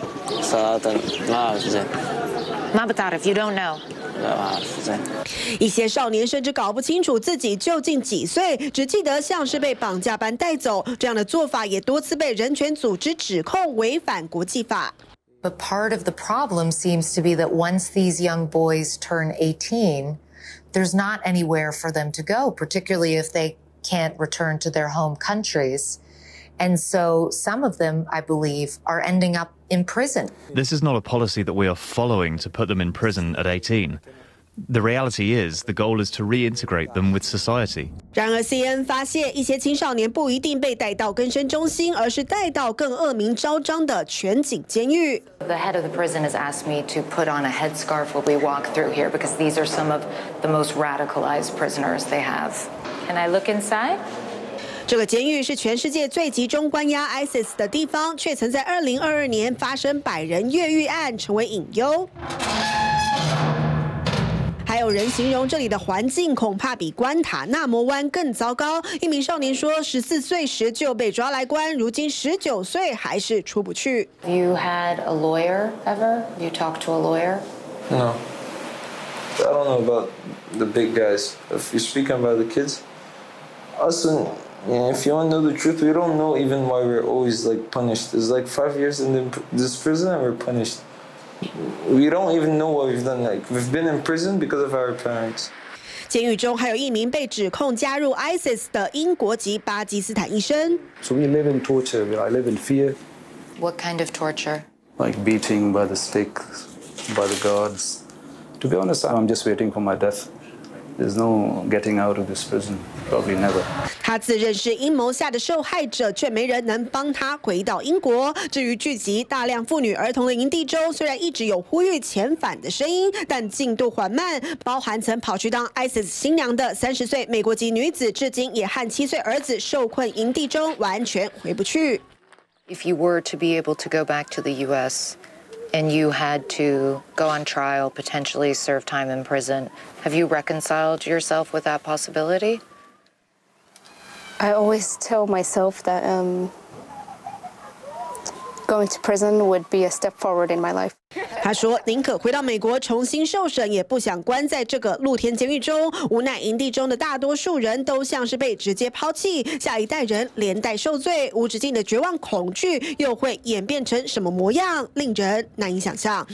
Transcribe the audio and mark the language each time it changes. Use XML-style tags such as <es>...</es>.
<en>Salatan. Mabatar, if you don't know.</en> <zh>一些少年甚至搞不清楚自己究竟几岁，只记得像是被绑架般带走。这样的做法也多次被人权组织指控违反国际法。</zh> <en>But part of the problem seems to be that once these young boys turn 18, there's not anywhere for them to go, particularly if they can't return to their home countries. And so some of them, I believe, are ending up in prison. This is not a policy that we are following to put them in prison at 18. The reality is, the goal is to reintegrate them with society.</en> <zh>然而 ，CNN 发现一些青少年不一定被带到更生中心，而是带到更恶名昭彰的全景监狱。</zh> <en>The head of the prison has asked me to put on a headscarf while we walk through here because these are some of the most radicalized prisoners they have. Can I look inside?</en> <zh>这个监狱是全世界最集中关押 ISIS 的地方，却曾在2022年发生百人越狱案，成为隐忧。还有人形容这里的环境恐怕比关塔纳摩湾更糟糕。一名少年说，14岁时就被抓来关，如今19岁还是出不去。</zh> <en>You had a lawyer ever? You talked to a lawyer? No. I don't know about the big guys. If you're speaking about the kids, us andIf you want to know the truth, we don't know even why we're always like punished. It's like 5 years in this prison and we're punished. We don't even know what we've done. Like we've been in prison because of our parents.</en> <zh>监狱中还有一名被指控加入 ISIS 的英国籍巴基斯坦医生。</zh> <en>So we live in torture. I live in fear. What kind of torture? Like beating by the stick, by the guards. To be honest, I'm just waiting for my death. There's no getting out of this prison. Probably never.</en> <zh>他自认是阴谋下的受害者，却没人能帮他回到英国。至于聚集大量妇女儿童的营地州，虽然一直有呼吁遣返的声音，但进度缓慢。包含曾跑去当 ISIS 新娘的30岁美国籍女子，至今也和7岁儿子受困营地中，完全回不去。</zh> <en>If you were to be able to go back to the U.S. And you had to go on trial, potentially serve time in prison. Have you reconciled yourself with that possibility? I always tell myself that going to prison would be a step forward in my life.</en> <zh>他说宁可回到美国重新受审，也不想关在这个露天监狱中。无奈营地中的大多数人都像是被直接抛弃，下一代人连带受罪，无止境的绝望恐惧又会演变成什么模样，令人难以想象。</zh>